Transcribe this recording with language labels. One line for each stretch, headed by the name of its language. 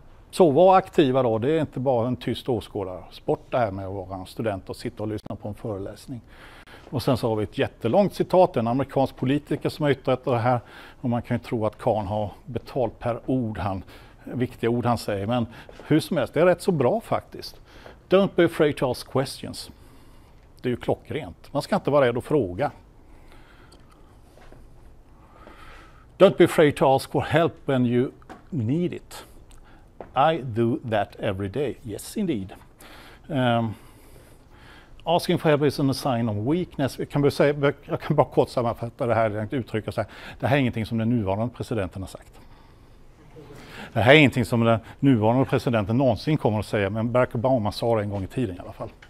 Swedish: Så var aktiva då, det är inte bara en tyst åskådare. Sport det här med att vara en student och sitta och lyssna på en föreläsning. Och sen så har vi ett jättelångt citat, en amerikansk politiker som har yttrat det här. Och man kan ju tro att Kahn har betalt per ord, han, viktiga ord han säger. Men hur som helst, det är rätt så bra faktiskt.
English: Don't be afraid to ask questions.
Swedish: Det är ju klockrent. Man ska inte vara rädd att fråga.
English: Don't be afraid to ask for help when you need it. I do that every day. Yes, indeed. Asking for help is a sign of weakness.
Swedish: Jag kan bara kort sammanfatta det här uttryck och säga, det här är ingenting som den nuvarande presidenten har sagt. Det här är ingenting som den nuvarande presidenten någonsin kommer att säga, men Barack Obama sa det en gång i tiden i alla fall.